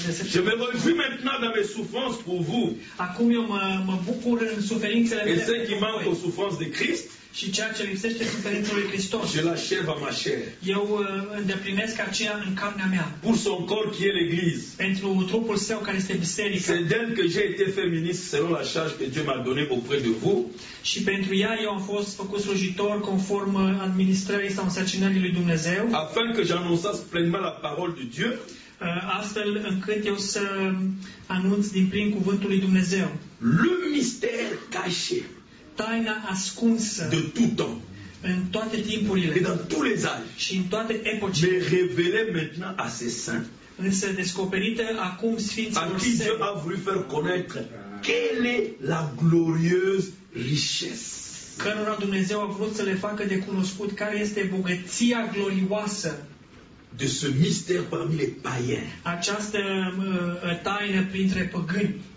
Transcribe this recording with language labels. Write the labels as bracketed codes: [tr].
[fr] Je me réjouis maintenant dans mes souffrances pour vous. [ro] Acum eu mă bucur în suferințele mele. [fr] Et ce qui manque aux souffrances de Christ? [ro] Și ceea ce lipsește suferințelor lui Hristos. [fr] Je l'achève à ma chair. [ro] Eu îndeplinesc aceea în carnea mea. [fr] Pour son corps qui est l'Église. [ro] Pentru trupul său care este biserica. [fr] C'est d'elle que j'ai été fait ministre selon la charge que Dieu m'a donnée auprès de vous. [ro] Și pentru ea eu am fost făcut slujitor conform administrării sau însărcinării lui Dumnezeu. [fr] Afin que j'annonce pleinement la parole de Dieu. [ro] Astfel încât eu să anunț din plin cuvântul lui Dumnezeu. [fr] Le mystère caché. [ro] Taina ascunsă [fr] de tout temps, [ro] în toate timpurile [fr] et dans tous les âges, [ro] și în toate epocile, [fr] mais révélée maintenant à ses saints, [ro] însă descoperită acum sfinților săi, [fr] à qui Dieu a voulu faire connaître quelle est la glorieuse richesse. [ro] Cărora Dumnezeu a vrut să le facă de cunoscut care este bogăția glorioasă [fr] de ce mystère parmi les païens. [ro] Această taină printre păgâni.